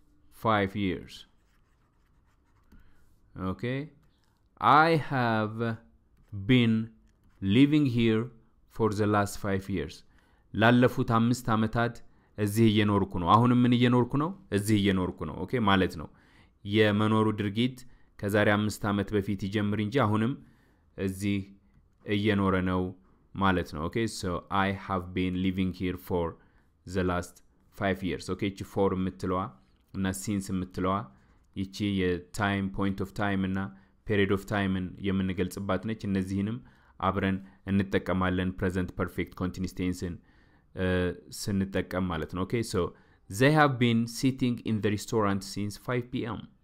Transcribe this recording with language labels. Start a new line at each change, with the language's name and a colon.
English: 5 years. Okay. I have been living here for the last 5 years.
Amharic: ላለፉት 5 አመታት እዚህ እየኖርኩ ነው። አሁን ምን እየኖርኩ ነው? እዚህ እየኖርኩ ነው። ኦኬ ማለት ነው። የመኖሩ ድርጊት ከዛሬ 5 አመት በፊት ይጀምር እንጂ አሁንም እዚህ እየኖረ ነው ማለት ነው። ኦኬ
English: so I have been living here for the last 5 years.
Amharic: ኦኬ እቺ for የምትለዋ እና since የምትለዋ ይቺ የtime point of time እና period of timeን የምንገልጽባት ነች። እነዚህንም አብረን እንጠቀማለን present perfect continuous tenseን ስንጠቀም ማለት ነው። ኦኬ
English: so they have been sitting in the restaurant since 5 p.m.